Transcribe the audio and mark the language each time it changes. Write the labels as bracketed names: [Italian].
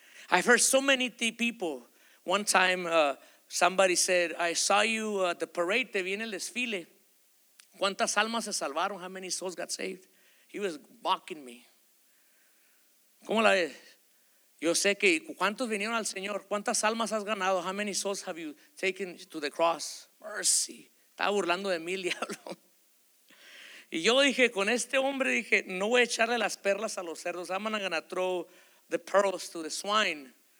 [English] I've heard so many people, one time somebody said, I saw you at the parade, [Spanish] te vi en el desfile, ¿cuántas almas se salvaron? [English] How many souls got saved? He was mocking me. [Spanish] ¿Cómo la ves? Yo sé que, ¿cuántos vinieron al Señor? ¿Cuántas almas has ganado? [English] How many souls have you taken to the cross? [Spanish] Mercy. Estaba burlando de mí el diablo. Y yo dije, con este hombre, dije, no voy a echarle las perlas a los cerdos. [English] I'm not gonna throw the pearls to the swine.